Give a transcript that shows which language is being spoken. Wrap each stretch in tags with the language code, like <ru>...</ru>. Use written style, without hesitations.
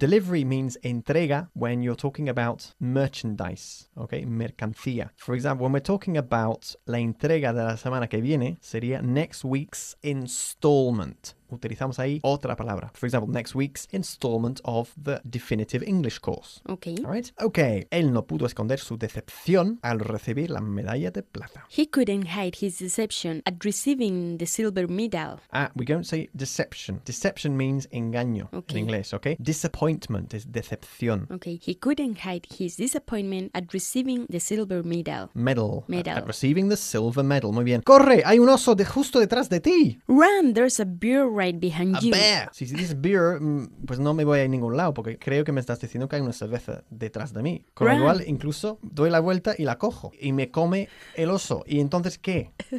<en>Delivery means entrega when you're talking about merchandise. Okay? Mercancía. For example, when we're talking about</en> <es>la entrega de la semana que viene, sería</es> <en>next week's installment.</en> <es>Utilizamos ahí otra palabra.</es> <en>For example, next week's installment of the definitive English course. Okay. All right? Okay.</en> <es>Él no pudo esconder su decepción al recibir la medalla de plata.</es> <en>He couldn't hide his deception at receiving the silver medal. Ah, we don't say deception. Deception means engaño okay. in English, okay? Disappointment is decepción. Okay. He couldn't hide his disappointment at receiving the silver medal. Medal. Medal. At receiving the silver medal.</en> <es>Muy bien. ¡Corre! Hay un oso de justo detrás de ti.</es> <en>Run! There's a bear right behind a you. A bear.</en> <es>Si dices beer, pues no me voy a ningún lado porque creo que me estás diciendo que hay una cerveza detrás de mí. Con</es> <en>run.</en> <es>Lo cual, incluso, doy la vuelta y la cojo. Y me come el oso. ¿Y entonces qué?</es>